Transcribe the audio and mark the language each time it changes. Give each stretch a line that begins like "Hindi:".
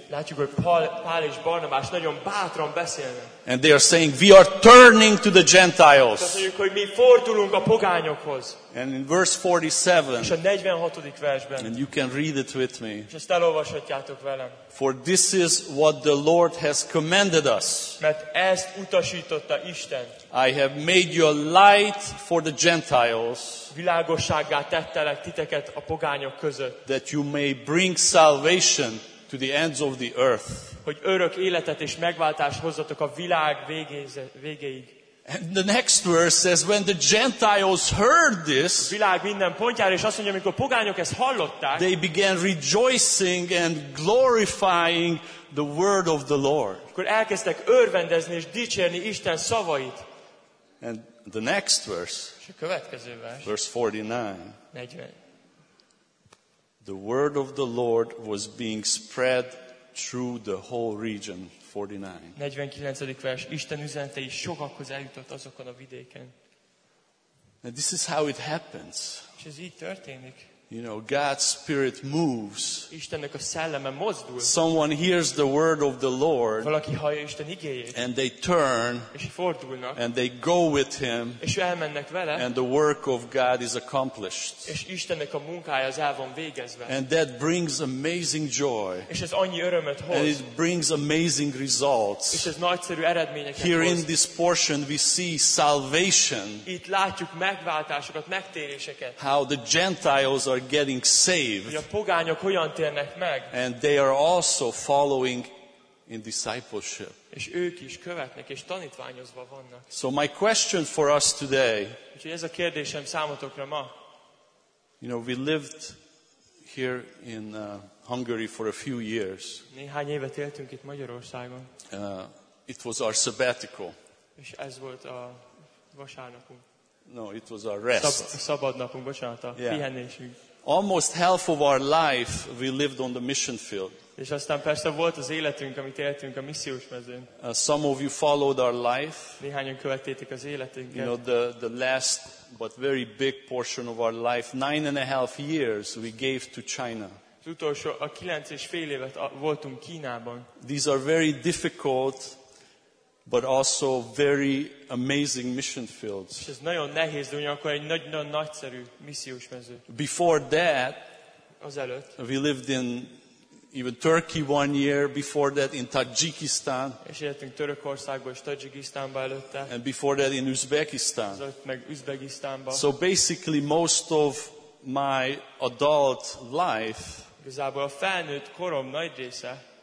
Hungarian: Látjuk, hogy Pál és Barnabás nagyon bátran beszélnek.
English: And they are saying, we are turning to the Gentiles.
Hungarian: Mondjuk, hogy mi fordulunk a pogányokhoz.
English: And in verse 47,
Hungarian: és a 46. versben,
English: and you can read it with me.
Hungarian: És ezt elolvashatjátok velem.
English: For this is what the Lord has commanded us.
Hungarian: Mert ezt utasította Isten.
English: I have made you a light for the Gentiles.
Hungarian: Világossággá tettelek titeket a pogányok között.
English: That you may bring salvation to the ends of the earth.
Hungarian: Hogy örök életet és megváltást hozzatok a világ végéig.
English: And the next verse says, when the Gentiles heard this,
Hungarian: a világ minden pontjára, és azt mondja, amikor pogányok ezt hallották,
English: they began rejoicing and glorifying the word of the Lord.
Hungarian: Akkor elkezdtek örvendezni és dicsérni Isten szavait.
English: And the next verse,
Hungarian: és a következő vers,
English: verse 49, 40. The word of the Lord was being spread through the whole region. 49.
Hungarian: 49. vers. Isten üzenetei sokakhoz eljutott azokon a vidéken.
English: And this is how it happens.
Hungarian: És ez így történik.
English: You know, God's spirit moves.
Hungarian: Istennek a szelleme mozdul.
English: Someone hears the word of the Lord.
Hungarian: Valaki hallja Isten igéjét.
English: And they turn.
Hungarian: És fordulnak.
English: And they go with him.
Hungarian: És elmennek vele.
English: And the work of God is accomplished.
Hungarian: És Istennek a munkája az el van végezve.
English: And that brings amazing joy.
Hungarian: És ez annyi örömet hoz.
English: And it brings amazing results.
Hungarian: És ez nagyszerű eredményeket hoz.
English: Here in this portion we see salvation.
Hungarian: Itt látjuk megváltásokat, megtéréseket.
English: How the Gentiles are getting saved,
Hungarian: a pogányok hogyan térnek meg,
English: and they are also following in discipleship.
Hungarian: És ők is követnek és tanítványozva vannak.
English: So my question for us today,
Hungarian: úgyhogy ez a kérdésem számotokra ma.
English: You know, we lived here in Hungary for a few years.
Hungarian: Néhány évet éltünk itt Magyarországon.
English: It was our sabbatical.
Hungarian: És ez volt a vasárnapunk.
English: No, it was our rest.
Hungarian: Szabad napunk, bocsánat, a pihenésünk.
English: Almost half of our life we lived on the mission field.
Hungarian: És aztán persze volt az életünk, amit éltünk a missziós mezőn.
English: Some of you followed our life.
Hungarian: Néhányan követtétek az életünket.
English: You know, the last but very big portion of our life, 9.5 years we gave to China.
Hungarian: Az utolsó, a 9.5 évet voltunk Kínában.
English: These are very difficult, but also very amazing mission fields.
Hungarian: És ez nagyon nehéz, de ugyanakkor egy nagyon nagyszerű missziós mező.
English: Before that,
Hungarian: azelőtt,
English: we lived in even Turkey 1 year, before that in Tajikistan.
Hungarian: És éltünk Törökországban és Tajikistánban előtte.
English: And before that in Uzbekistan.
Hungarian: Azelőtt meg Uzbekistánban.
English: So basically most of my adult life,
Hungarian: igazából a felnőtt korom nagy része,